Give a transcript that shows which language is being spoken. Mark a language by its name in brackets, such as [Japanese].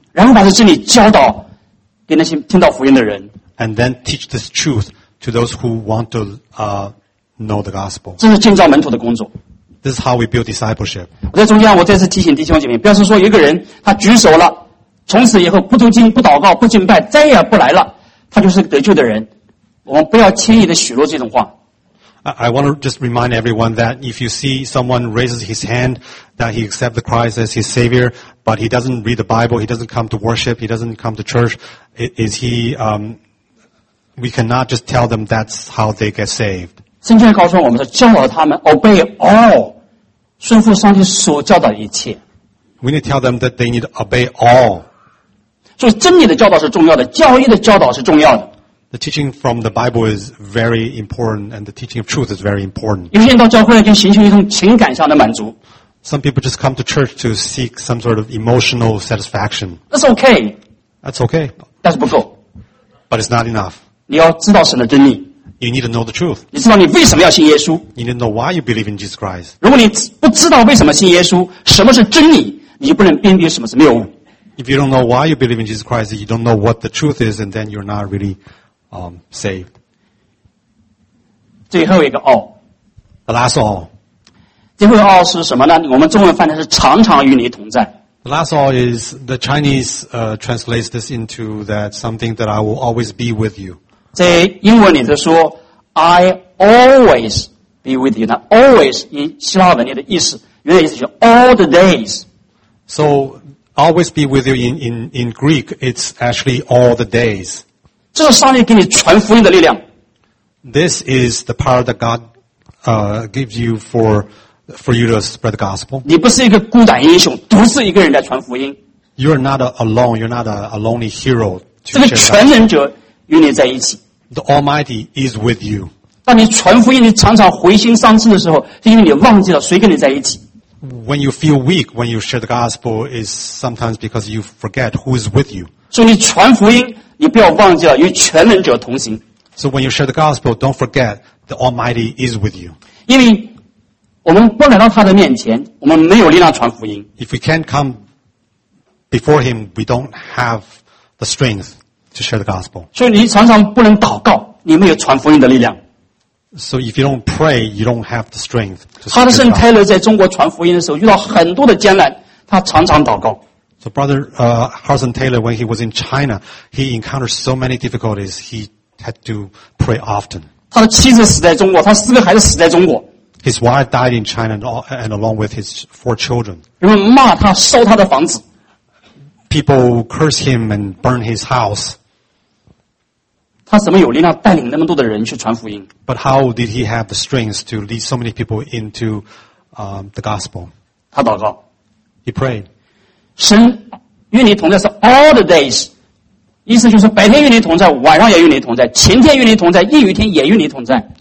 [Chinese] 然后把这真理教导给那些听到福音的人。 [English] And then teach this truth to those who want to know the gospel. [Chinese] 这是建造门徒的工作。 [English] This is how we build discipleship. [Chinese] 我在中间，我再次提醒弟兄姐妹，不要是说一个人他举手了，从此以后不读经、不祷告、不敬拜，再也不来了，他就是得救的人。我们不要轻易的许诺这种话。 [English] I want to just remind everyone that if you see someone raises his hand that he accepts Christ as his savior, but he doesn't read the Bible, he doesn't come to worship, he doesn't come to church, is he? We cannot just tell them that's how they get saved. [Chinese] 圣经告诉我们说，教导他们 [English] obey all， [Chinese] 顺服上帝所教导的一切。 [English] We need to tell them that they need to obey all。 [Chinese] 所以真理的教导是重要的，教义的教导是重要的。 [English] The teaching from the Bible is very important, and the teaching of truth is very important。 [Chinese] 有些人到教会来就寻求一种情感上的满足。 [English] Some people just come to church to seek some sort of emotional satisfaction。 That's okay。 That's okay。 [Chinese] 但是不够。 [English] But it's not enough. [Chinese] 你要知道神的真理。 [English] You need to know the truth. [Chinese] 你知道你为什么要信耶稣。 [English] You need to know why you believe in Jesus Christ. [Chinese] 如果你不知道为什么信耶稣，什么是真理，你就不能辨别什么是谬误。 [English] If you don't know why you believe in Jesus Christ, you don't know what the truth is, and then you're not really, saved. [Chinese] 最后一个傲。 [English] The last all. [Chinese] 最后一个傲是什么呢？我们中文翻译是常常与你同在。 [English] The last all is the Chinese, translates this into that something that I will always be with you. [Chinese] 在英文里头说 [English] I always be with you. [Chinese] 那 always 以希腊文里的意思，原来意思是 [English] all the days. So,Always be with you in Greek, it's actually all the days. [Chinese] 这是上帝给你传福音的力量。 [English] This is the power that God, gives you for you to spread the gospel. [Chinese] 你不是一个孤胆英雄，独自一个人在传福音。 [English] You're not alone, you're not a lonely hero. [Chinese] 这个全能者与你在一起。 [English] The Almighty is with you. [Chinese] 当你传福音，你常常回心丧志的时候，是因为你忘记了谁跟你在一起。 [English] When you feel weak, when you share the gospel, is sometimes because you forget who is with you. [Chinese] 所以你传福音，你不要忘记了与全能者同行。 [English] So when you share the gospel, don't forget the Almighty is with you. [Chinese] 因为我们不来到他的面前，我们没有力量传福音。 [English] If we can't come before him, we don't have the strength to share the gospel. [Chinese] 所以你常常不能祷告，你没有传福音的力量。 [English] So if you don't pray, you don't have the strength. [Chinese] Hudson Taylor 在中国传福音的时候遇到很多的艰难，他常常祷告。 [English] So brother, Hudson Taylor, when he was in China, he encountered so many difficulties. He had to pray often. [Chinese] 他的妻子死在中国，他四个孩子死在中国。 [English] His wife died in China, and along with his four children. [Chinese] 人们骂他，烧他的房子。 [English] People curse him and burn his house. [Chinese] 他怎么有力量带领那么多的人去传福音 [English] ？But how did he have the strength to lead so many people into, the gospel? [Chinese] 他祷告。 [English] He prayed. [Chinese] 神与你同在是 [English] all the days， [Chinese] 意思就是白天与你同在，晚上也与你同在，晴天与你同在，阴雨天也与你同在。